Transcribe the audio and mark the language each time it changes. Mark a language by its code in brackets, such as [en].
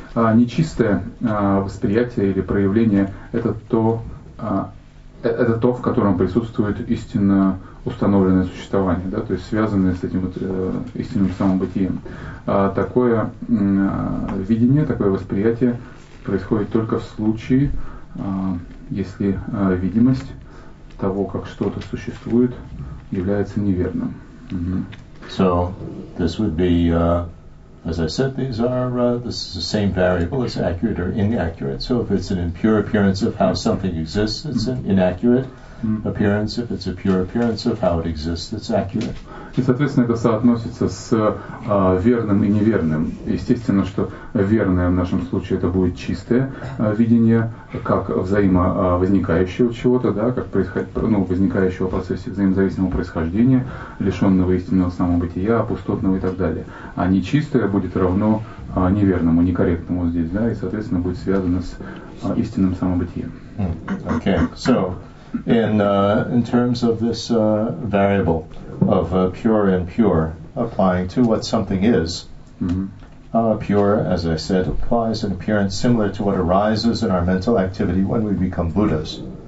[ru] Нечистое восприятие или проявление это то, в котором присутствует истинно установленное существование, да, то есть связанное с этим вот истинным самобытием. Такое видение, такое восприятие происходит только в случае, если видимость того, как что-то существует, является неверным. [en] So, this would be, as I said, these are, this is the same variable, it's accurate or inaccurate. So, if it's an impure appearance of how something exists, it's an inaccurate. appearance, if it's a pure appearance of how it exists, it's accurate. [ru] И, соответственно, это соотносится с верным и неверным. Естественно, что верное в нашем случае это будет чистое видение, как взаимовозникающего чего-то, да, как возникающего в процессе взаимозависимого происхождения, лишенного истинного самобытия, пустотного и так далее. А нечистое будет равно неверному, некорректному здесь, да, и, соответственно, будет связано с истинным самобытием. [en] Okay, so in terms of this variable of pure and impure, applying to what something is, pure, as I said, applies an appearance similar to what arises in our mental activity when we become Buddhas.